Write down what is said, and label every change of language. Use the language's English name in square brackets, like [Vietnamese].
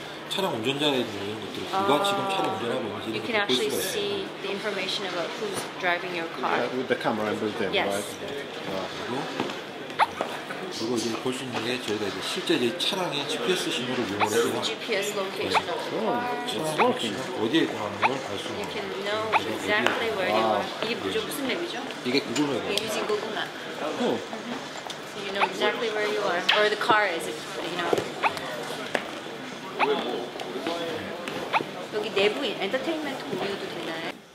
[Korean] 차량 운전자에 있는 것들 누가 지금 차를 운전하고 있는지 [English] You can actually see the information about who's driving your car. Yeah, with the camera and built in, yes. right? [Korean] 그리고 이제 볼 수 있는 게 저희가 이제 실제 이제 차량의 GPS 신호를 이용을 해서 [English] GPS location. [Korean] 차량 어디에 가는 걸 알 수 있는 거예요. [English] You can know exactly where you are. [Korean] 이게 무슨 맵이죠? 이게 구글 맵이에요. [English] You're using Google Maps. You know exactly where you are, or the car is, if, you know. [Korean] 여기 내부 엔터테인먼트 공유도 되나요?